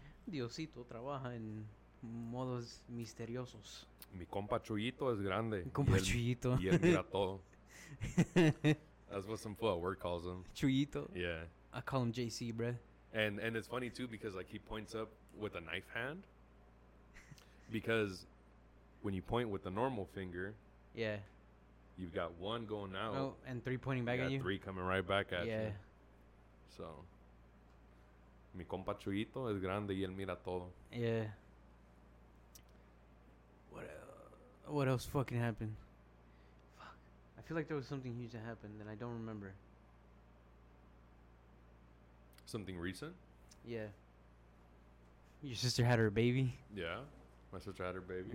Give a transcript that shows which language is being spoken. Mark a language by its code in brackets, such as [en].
[es] Diosito trabaja en modos misteriosos. Mi compa Chuyito es grande. Mi compa Chuyito. Y el mirato. [en] That's what some fool at work calls him. Chuyito. Yeah. I call him JC, bro. And it's funny, too, because, like, he points up with a knife hand. Because when you point with the normal finger. Yeah. You've got one going out. Oh, and three pointing back at you. Three coming right back at yeah. you. So. [es] Mi compa Chuyito es grande y él mira todo. [en] Yeah. What else fucking happened? Fuck. I feel like there was something huge that happened that I don't remember. Something recent? Yeah. Your sister had her baby. Yeah. My sister had her baby.